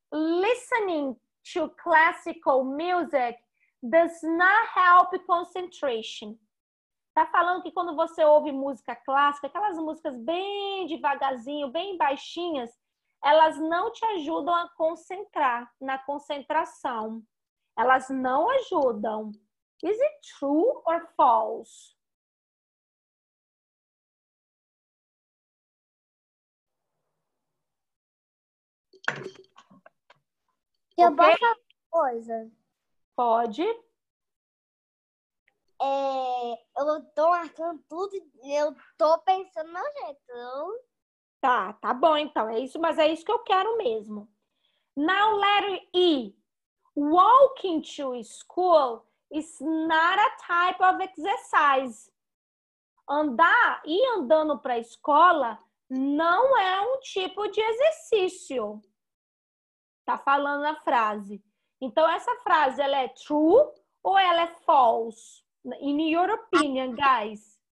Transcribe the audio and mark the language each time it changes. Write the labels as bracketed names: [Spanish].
[English] Listening to classical music does not help concentration. [Portuguese] Tá falando que quando você ouve música clássica, aquelas músicas bem devagarzinho, bem baixinhas, elas não te ajudam a concentrar na concentração. Elas não ajudam. [English] Is it true or false? [Portuguese] Eu posso falar uma coisa? Pode. É, eu tô marcando tudo, eu tô pensando no meu jeito. Tá, tá bom então. É isso, mas é isso que eu quero mesmo. [English] Now, letter E. Walking to school is not a type of exercise. [Portuguese] Andar, ir andando pra escola não é um tipo de exercício. Tá falando a frase. Então, essa frase, ela é true ou ela é false? [English] In your opinion, guys.